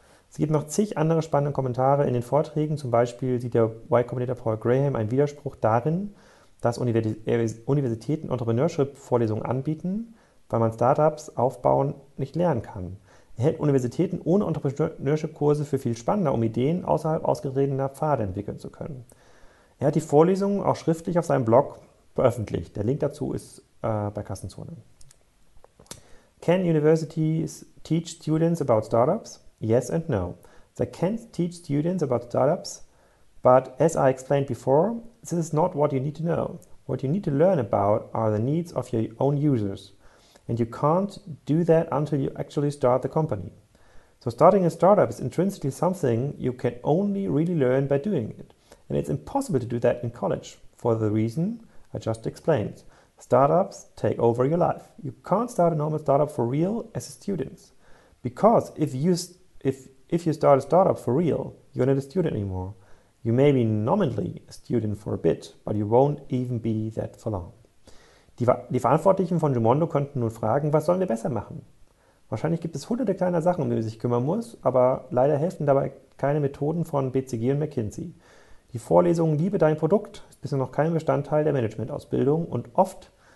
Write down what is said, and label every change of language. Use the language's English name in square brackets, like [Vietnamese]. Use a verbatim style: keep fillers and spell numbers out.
[German] Es gibt noch zig andere spannende Kommentare in den Vorträgen. Zum Beispiel sieht der Y Combinator Paul Graham einen Widerspruch darin, dass Universitäten Entrepreneurship-Vorlesungen anbieten, weil man Startups aufbauen nicht lernen kann. Er hält Universitäten ohne Entrepreneurship-Kurse für viel spannender, um Ideen außerhalb ausgetretener Pfade entwickeln zu können. Er hat die Vorlesungen auch schriftlich auf seinem Blog veröffentlicht. Der Link dazu ist äh, bei Kassenzone. [English] Can universities teach students about startups? Yes and no. They can teach students about startups, but as I explained before, this is not what you need to know. What you need to learn about are the needs of your own users. And you can't do that until you actually start the company. So starting a startup is intrinsically something you can only really learn by doing it. And it's impossible to do that in college for the reason I just explained. Startups take over your life. You can't start a normal startup for real as a student. Because if you if if you start a startup for real, you're not a student anymore. You may be nominally a student for a bit, but you won't even be that for long. [German] Die, die Verantwortlichen von Gimondo könnten nun fragen, was sollen wir besser machen? Wahrscheinlich gibt es hunderte kleiner Sachen, um die man sich kümmern muss, aber leider helfen dabei keine Methoden von B C G und McKinsey. Die Vorlesung Liebe dein Produkt ist bisher noch kein Bestandteil der Managementausbildung und oft